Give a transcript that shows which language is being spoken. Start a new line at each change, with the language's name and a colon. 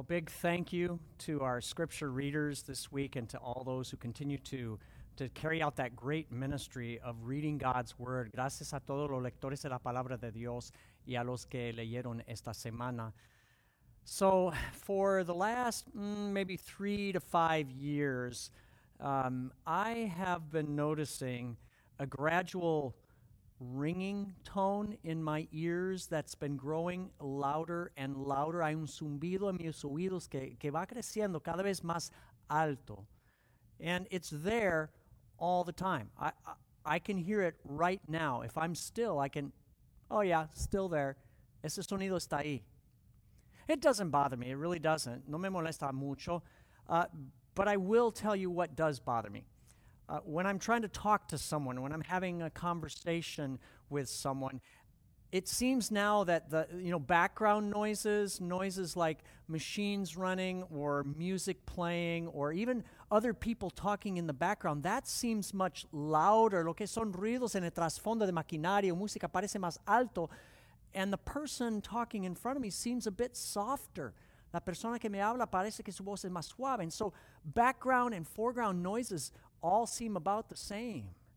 English: big thank you to our scripture readers this week and to all those who continue to carry out that great ministry of reading God's Word.
Spanish: Gracias a todos los lectores de la Palabra de Dios y a los que leyeron esta semana.
English: So for the last maybe 3 to 5 years, I have been noticing a gradual ringing tone in my ears that's been growing louder and louder.
Spanish: Hay un zumbido en mis oídos que va creciendo cada vez más alto.
English: And it's there all the time. I can hear it right now. If I'm still, I can, oh yeah, still there.
Spanish: Ese sonido está ahí.
English: It doesn't bother me. It really doesn't.
Spanish: No me molesta mucho.
English: But I will tell you what does bother me. When I'm trying to talk to someone, when I'm having a conversation with someone, it seems now that the, you know, background noises, noises like machines running or music playing or even other people talking in the background, that seems much louder.
Spanish: Lo que son ruidos en el trasfondo de maquinaria o música parece más alto.
English: And the person talking in front of me seems a bit softer.
Spanish: La persona que me habla parece que su voz es más suave.
English: And so background and foreground noises all seem about the same.